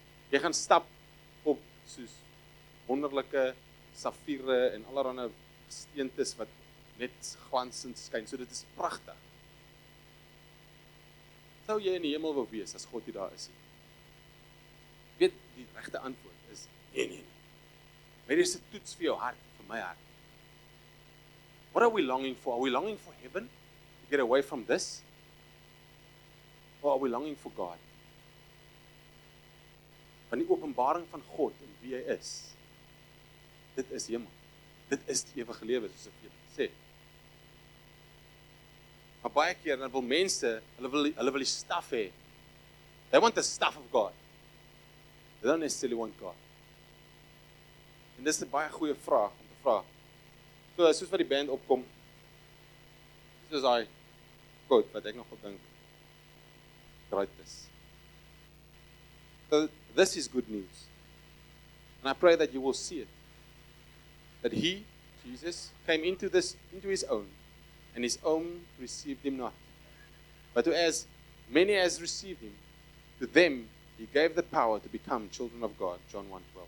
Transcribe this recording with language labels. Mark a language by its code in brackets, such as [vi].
[af] Jy gaan stap op soos wonderlike safiere en allerlei steentjies wat net glansend skyn. So dit is pragtig. Sou jy in die hemel wou wees as God hier daar is? Ek weet die regte antwoord is nee. Maar dis 'n toets vir jou hart. [en] My heart. What are we longing for? Are we longing for heaven? To get away from this? Or are we longing for God? [af] Want die openbaring van God en wie hy is, dit is hemel. Dit is die ewige lewe, soos ek julle sê. Maar baie keer, dan wil mense, hulle wil die staf hê. [en] They want the staff of God. They don't necessarily want God. [af] En dis 'n baie goeie vraag om te vra. So, soos wat die band opkom, soos hy quote, wat ek nogal dink, great is. [en] So, this is good news. And I pray that you will see it. That he, Jesus, came into this, into his own, and his own received him not. But to as many as received him, to them he gave the power to become children of God, John 1:12.